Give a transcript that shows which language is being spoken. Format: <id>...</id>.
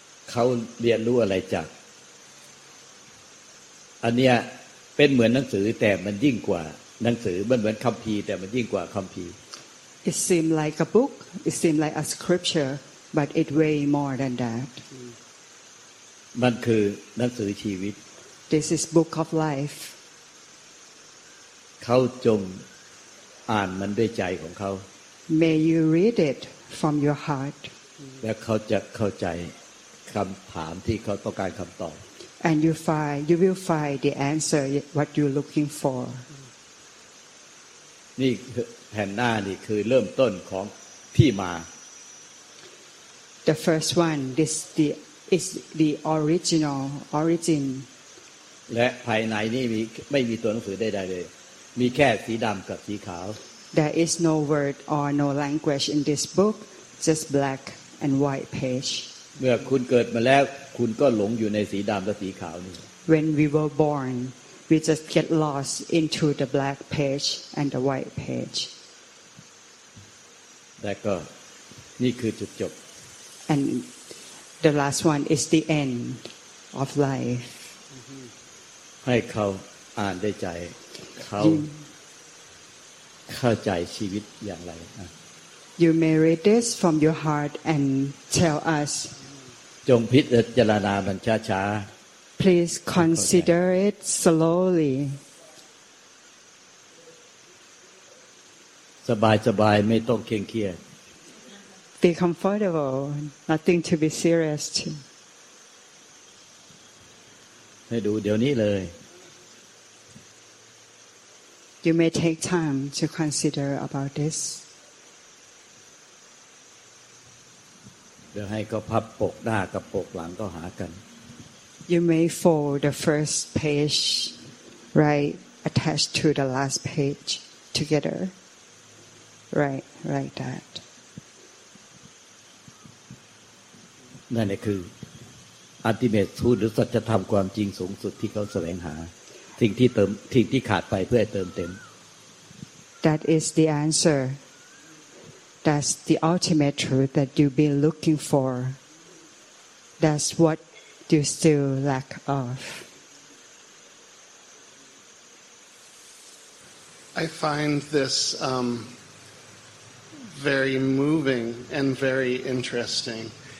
<th>เขาเรียนรู้อะไรจากอันเนี้ยเป็นเหมือนหนังสือแต่มันยิ่งกว่าหนังสือมันเหมือนคัมภีร์แต่มันยิ่งกว่าคัมภีร์</th> <en>It seem like a book it seem like a scripture but it way more than that</en> <th>มันคือหนังสือชีวิต</th> <en>This is book of life</en> <th>เขาจงอ่านมันด้วยใจของเขา</th> <en>May you read it from your heart</en> <th>แล้วเขาจะเข้าใจคำถามที่เขาต้องการคำตอบ</th> <en>And you will find the answer what you're looking for.</en> <th>นี่แผ่นหน้านี่คือเริ่มต้นของที่มา</th> <en>The first one, is the origin.</en> <th>และภายในนี่ไม่มีตัวหนังสือใดๆเลยมีแค่สีดำกับสีขาว</th> <en>There is no word or no language in this book, just black and white page.</en> <th>เมื่อคุณเกิดมาแล้วคุณก็หลงอยู่ในสีดำและสีขาวนี่</th> <en>When we were born, we just get lost into the black page and the white page.</en> <th>แล้วก็นี่คือจุดจบ</th> <en>And the last one is the end of life.</en> <th>ให้เขาอ่านได้ใจเขาเข้าใจชีวิตอย่างไร</th> <en>You may read this from your heart and tell us.</en> <th>จงพิจารณามันช้า</th> <en>ๆ Please consider it slowly</en> <th>สบายๆไม่ต้องเครียด</th> <en>Be comfortable nothing to be serious</en> <th>ให้ดูเดี๋ยวนี้เลย</th> <en>You may take time to consider about this</en> <th>เดี๋ยวให้ก็พับปกหน้ากับปกหลังก็หากัน</th> <en>You may fold the first page right attached to the last page together right like that</en> <th>นั่นแหละคือ</th> <en>ultimate truth</en> <th>หรือสัจธรรมความจริงสูงสุดที่เขาแสวงหาสิ่งที่เติมสิ่งที่ขาดไปเพื่อให้เติมเต็ม</th> <en>That is the answerThat's the ultimate truth that you've been looking for. That's what you still lack of. I find this very moving and very interesting.</en>